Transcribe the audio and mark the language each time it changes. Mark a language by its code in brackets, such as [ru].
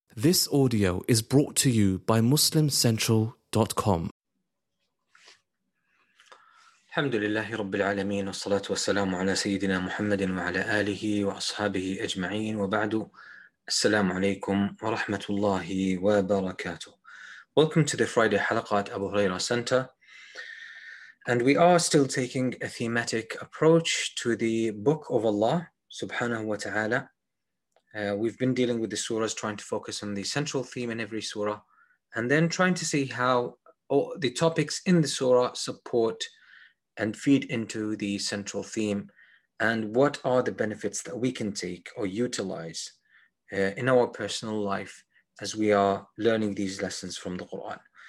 [en] This audio is brought to you by MuslimCentral.com. [ar] الحمد لله رب العالمين والصلاة والسلام على سيدنا محمد وعلى آله وأصحابه أجمعين وبعد السلام عليكم ورحمة الله وبركاته. [en] Welcome to the Friday Halaqa at Abu Huraira Center. And we are still taking a thematic approach to the Book of Allah, Subhanahu wa Ta'ala. We've been dealing with the surahs, trying to focus on the central theme in every surah, and then trying to see how the topics in the surah support and feed into the central theme, and what are the benefits that we can take or utilize in our personal life as we are learning these lessons from the Quran.